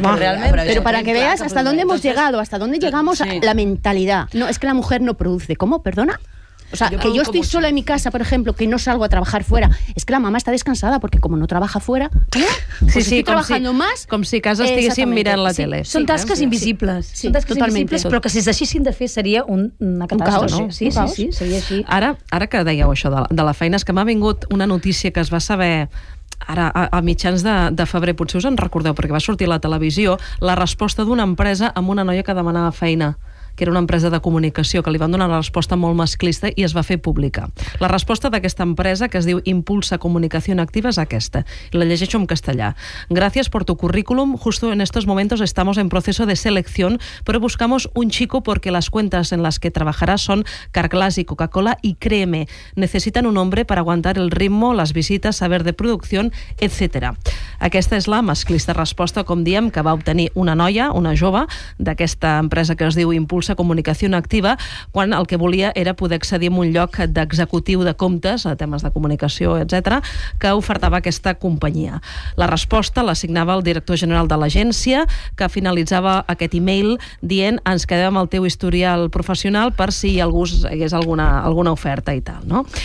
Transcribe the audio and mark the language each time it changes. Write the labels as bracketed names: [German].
[Spanish] Realmente. Pero para que veas hasta dónde hemos llegado, hasta dónde llegamos, sí. La mentalidad. No, es que la mujer no produce. ¿Cómo? ¿Perdona? O sea, que yo estoy sola en mi casa, por ejemplo, que no salgo a trabajar fuera. Es que la mamá está descansada porque como no trabaja fuera, pues sí, estoy trabajando más. [Catalan] Com si casa estiguessin mirant la tele. Són tasques invisibles. Són tasques invisibles, però que si es deixessin de fer seria una catàstrofe. Un caos, no? Sí, seria així. Ara que dèieu això de la feina, és que m'ha vingut una notícia que es va saber ara a mitjans de febrer, potser us en recordeu, perquè va sortir a la televisió, la resposta d'una empresa amb una noia que demanava feina. que era una empresa de comunicació, que li van donar una resposta molt masclista i es va fer pública. La resposta d'aquesta empresa, que es diu Impulsa Comunicació Activa, és aquesta. La llegeixo en castellà. [Spanish] Gracias por tu currículum. Justo en estos momentos estamos en proceso de selección, pero buscamos un chico porque las cuentas en las que trabajarás son Carglass y Coca-Cola y créeme, necesitan un hombre para aguantar el ritmo, las visitas, saber de producción, etc. [Catalan] Aquesta és la masclista resposta, com diem, que va obtenir una noia, una jove, d'aquesta empresa que es diu Impulsa Comunicació Activa, quan el que volia era poder accedir a un lloc d'executiu de comptes, a temes de comunicació, etc., que ofertava aquesta companyia. La resposta l'assignava el director general de l'agència, que finalitzava aquest e-mail dient ens quedem amb el teu historial professional per si algú hagués alguna oferta i tal, no?